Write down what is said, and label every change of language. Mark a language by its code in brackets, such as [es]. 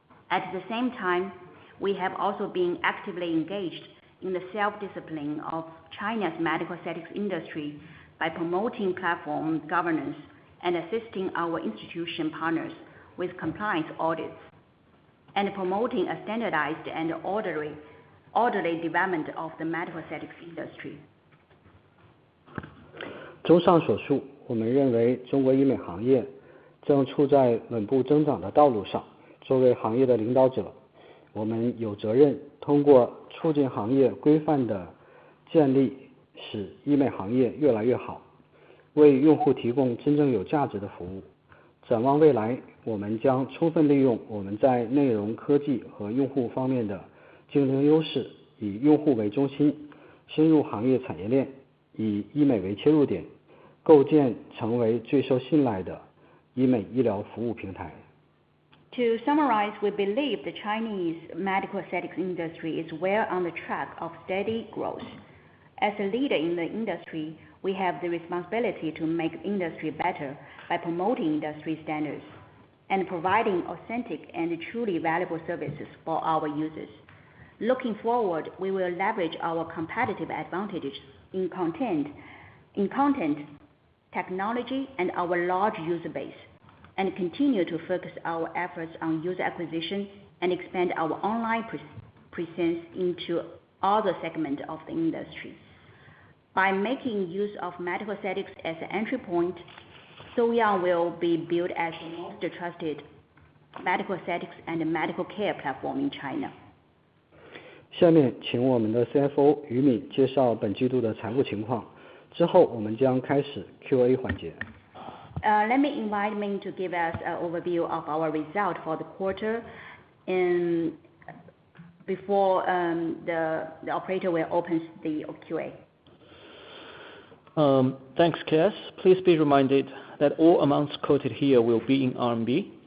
[en] At the same time, we have also been actively engaged in the self-discipline of China's medical aesthetics industry by promoting platform governance and assisting our institution partners with compliance audits, and promoting a standardized and orderly development of the medical aesthetics industry. [zh] 综上所述，我们认为中国医美行业正处在稳步增长的道路上。作为行业的领导者，我们有责任通过促进行业规范的建立，使医美行业越来越好，为用户提供真正有价值的服务。展望未来，我们将充分利用我们在内容、科技和用户方面的竞争优势，以用户为中心，深入行业产业链，以医美为切入点，构建成为最受信赖的医美医疗服务平台。 [en] To summarize, we believe the Chinese medical aesthetics industry is well on the track of steady growth. As a leader in the industry, we have the responsibility to make industry better by promoting industry standards and providing authentic and truly valuable services for our users. Looking forward, we will leverage our competitive advantages in content, technology, and our large user base. And continue to focus our efforts on user acquisition and expand our online presence into other segments of the industry. By making use of medical aesthetics as an entry point, Soyoung will be built as the most trusted medical aesthetics and medical care platform in China. [zh] 下面请我们的 CFO 于敏介绍本季度的财务情况，之后我们将开始 Q&A 环节。 [en] Let me invite Ming to give us an overview of our result for the quarter and before the operator will open the QA. Thanks, Cass. Please be reminded that all amounts quoted here will be in RMB.